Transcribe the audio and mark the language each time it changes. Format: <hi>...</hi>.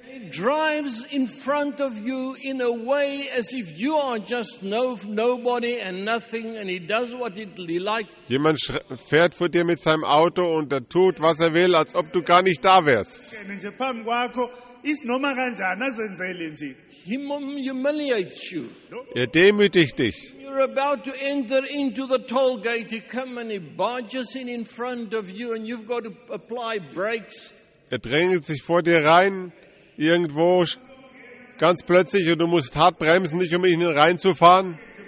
<en>It drives in front of you in a way as if you are just nobody and nothing, and he does what he likes.</en> <de>Jemand fährt vor dir mit seinem Auto und er tut, was er will, als ob du gar nicht da wärst.</de> <en>He humiliates you.</en> <de>Er demütigt dich.</de> <en>You're about to enter into the toll gate. He comes and he barges in front of you, and you've got to apply brakes.</en> <de>Er drängelt sich vor dir rein, irgendwo ganz plötzlich, und du musst hart bremsen, nicht um ihn reinzufahren.</de>